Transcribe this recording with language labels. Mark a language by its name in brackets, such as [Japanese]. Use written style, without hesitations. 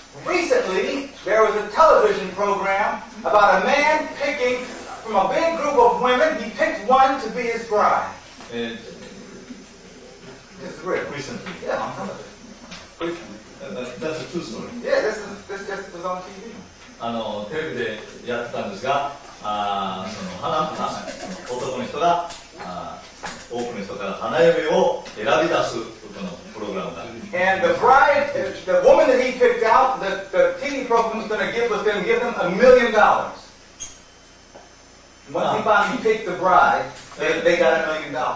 [English] Recently, there was a television program about a man picking from a big group of women. He picked one to be his bride. This is real. Recently. Yeah, I'm talking about it. That's a true story. Yeah, this just was on TV. [Japanese] テレビでやってたんですが、その花男の人が多くの人から花嫁を選び出すこのプロ programda. [English] And the bride, the woman that he picked out, the TV program was going to give, was going to give him $1 million. When he picked the bride, they got $1 million.